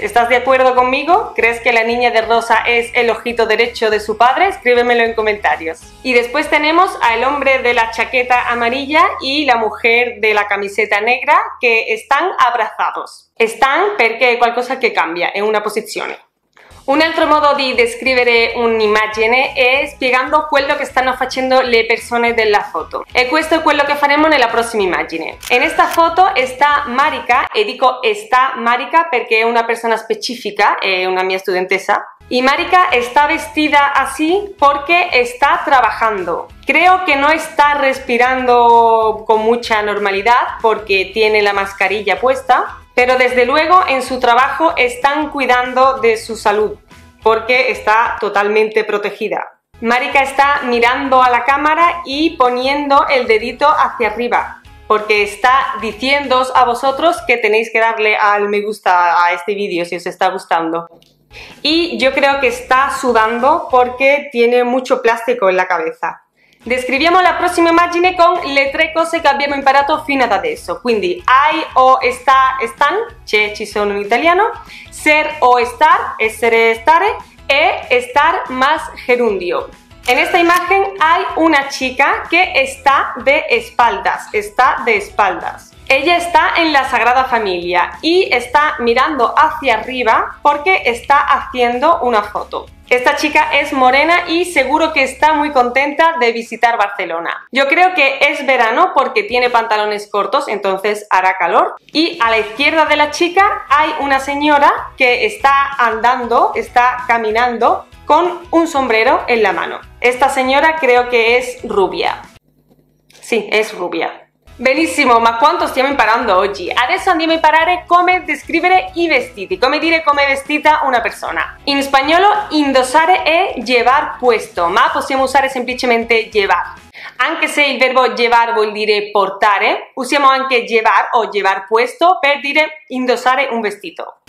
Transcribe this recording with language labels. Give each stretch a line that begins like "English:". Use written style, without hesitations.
Spanish: ¿Estás de acuerdo conmigo? ¿Crees que la niña de rosa es el ojito derecho de su padre? Escríbemelo en comentarios. Y después tenemos al hombre de la chaqueta amarilla y la mujer de la camiseta negra que están abrazados. Están porque hay cualcosa que cambia en una posición.
Italian: Un altro modo di descrivere un'immagine è spiegando quello che stanno facendo le persone della foto. E questo è quello che faremo nella prossima immagine. In questa foto sta Marika, e dico sta Marika perché è una persona specifica, è una mia studentessa. E Marika sta vestita così perché sta lavorando.
Spanish: Creo que no está respirando con mucha normalidad porque tiene la mascarilla puesta, pero desde luego en su trabajo están cuidando de su salud porque está totalmente protegida. Marika está mirando a la cámara y poniendo el dedito hacia arriba porque está diciéndoos a vosotros que tenéis que darle al me gusta a este vídeo si os está gustando. Y yo creo que está sudando porque tiene mucho plástico en la cabeza.
Italian: Descriviamo la prossima immagine con le tre cose che abbiamo imparato fino ad adesso. Quindi hai o sta, están, c'è, ci sono in italiano, ser o star, essere, stare, e star más gerundio.
Spanish: En esta imagen hay una chica que está de espaldas, está de espaldas. Ella está en la Sagrada Familia y está mirando hacia arriba porque está haciendo una foto. Esta chica es morena y seguro que está muy contenta de visitar Barcelona. Yo creo que es verano porque tiene pantalones cortos, entonces hará calor. Y a la izquierda de la chica hay una señora que está andando, está caminando con un sombrero en la mano. Esta señora creo que es rubia.
Italian: Sì, è rubia. Benissimo, ma quanto stiamo imparando oggi? Adesso andiamo a imparare come descrivere i vestiti, come dire come è vestita una persona. In spagnolo, indossare è llevar puesto, ma possiamo usare semplicemente llevar. Anche se il verbo llevar vuol dire portare, usiamo anche llevar o llevar puesto per dire indossare un vestito.